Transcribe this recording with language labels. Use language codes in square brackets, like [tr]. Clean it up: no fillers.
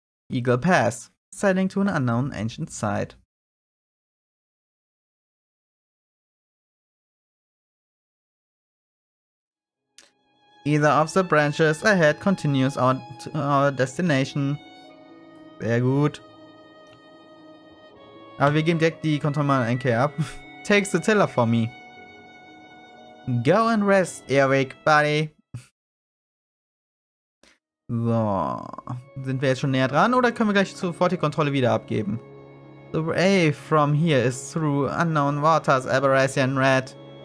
[en] Eagle Pass. Sailing to an unknown ancient site. Either of the branches ahead continues on to our destination. [de] Sehr gut. Aber wir geben direkt die Kontrolle an NK ab. [en] Take the teller for me. Go and rest, Eric, buddy. [de] So. Sind wir jetzt schon näher dran oder können wir gleich sofort die Kontrolle wieder abgeben? [en] The way from here is through unknown waters, Aberration Red.